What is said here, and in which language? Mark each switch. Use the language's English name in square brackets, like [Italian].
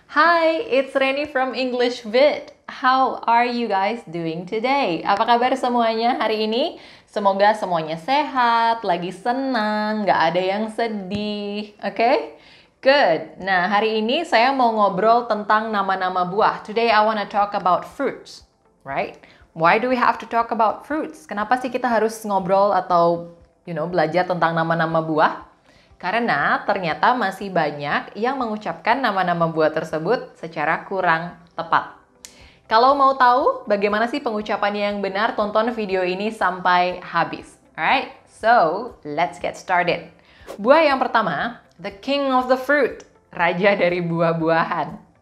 [English] Hi, it's Reni from English Vid. How are you guys doing today? [Indonesian] Apa kabar semuanya hari ini? Semoga semuanya sehat, lagi senang, nggak ada yang sedih. [English] Okay? Good. [Indonesian] Nah, hari ini saya mau ngobrol tentang nama-nama buah. [English] Today I want to talk about fruits, right? Why do we have to talk about fruits? [Indonesian] Kenapa sih kita harus ngobrol atau, [English] you know, [Indonesian] belajar tentang nama-nama buah? Karena ternyata masih banyak yang mengucapkan nama-nama buah tersebut secara kurang tepat. Kalau mau tahu bagaimana sih pengucapannya yang benar, tonton video ini sampai habis. [English] Alright, so let's get started. [Indonesian] Buah yang pertama, [English] the king of the fruit, [Indonesian] raja dari buah-buahan.